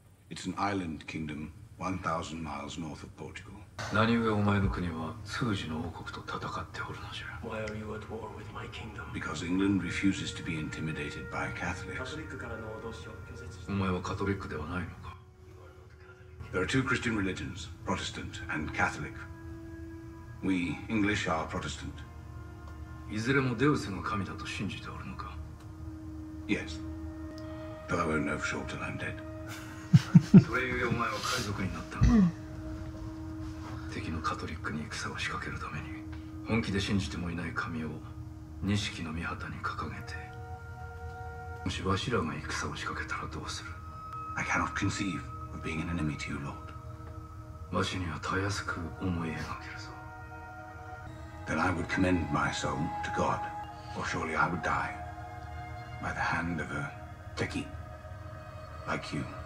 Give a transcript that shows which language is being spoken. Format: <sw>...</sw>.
<en>It's an island kingdom 1,000 miles north of Portugal.</en> <ja>何故お前の国は通じの王国と戦っておるのじゃ?</ja> <en>Why are you at war with my kingdom? Because England refuses to be intimidated by Catholics.</en> <ja>カトリックからの脅しを拒絶し。お前はカトリックではないのか?</ja> <en>There are two Christian religions, Protestant and Catholic. We English are Protestant.</en> <ja>いずれもデウスの神だと信じておるのか?</ja> <en>Yes. But I won't know for sure till I'm dead.</en> <ja>それゆえお前は海賊になったのか?敵のカトリックに戦を仕掛けるために本気で信じてもいない神を錦の御旗に掲げてもしわしらが戦を仕掛けたらどうする?</ja> <en>I cannot conceive of being an enemy to you, Lord.</en> <ja>わしにはたやすく思い描けるぞ。</ja> <en>Then I would commend my soul to God, or surely I would die by the hand of a teki like you.</en>